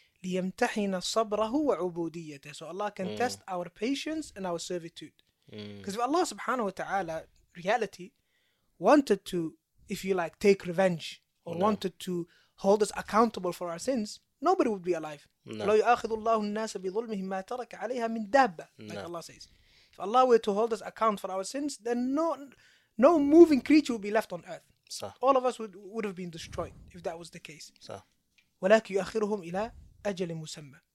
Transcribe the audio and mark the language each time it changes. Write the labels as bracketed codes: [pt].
[ar] ليمتحن صبره وعبوديته. [en] So Allah can test our patience and our servitude. Because if Allah subhanahu wa ta'ala, reality, wanted to, if you like, take revenge, or wanted to hold us accountable for our sins, nobody would be alive. [ar] لو يأخذ الله الناس بظلمهم ما ترك عليها من دابة, [en] like Allah says. If Allah were to hold us account for our sins, then no moving creature would be left on earth. [ar] صح. [en] All of us would have been destroyed if that was the case. [ar] صح. ولكن يؤخرهم إلى أجل مسمى.